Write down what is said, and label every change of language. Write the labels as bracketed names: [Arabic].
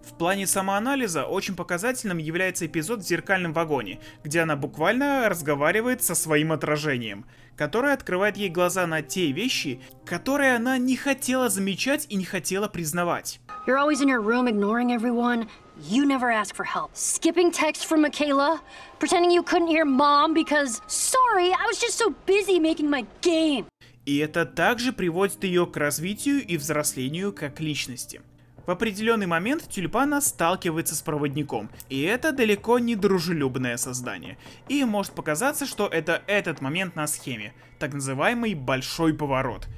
[Russian] В плане самоанализа очень показательным является эпизод в зеркальном вагоне, где она буквально разговаривает со своим отражением, которое открывает ей глаза на те вещи, которые она не хотела замечать и не хотела признавать. [English] You're always in your room ignoring everyone. You never ask for help. Skipping text from Michaela, pretending you couldn't hear mom because sorry, I was just so busy making my game. [Russian] И это также приводит ее к развитию и взрослению как личности. В определенный момент Тюльпана сталкивается с проводником, и это далеко не дружелюбное создание. И может показаться, что это этот момент на схеме, так называемый большой поворот.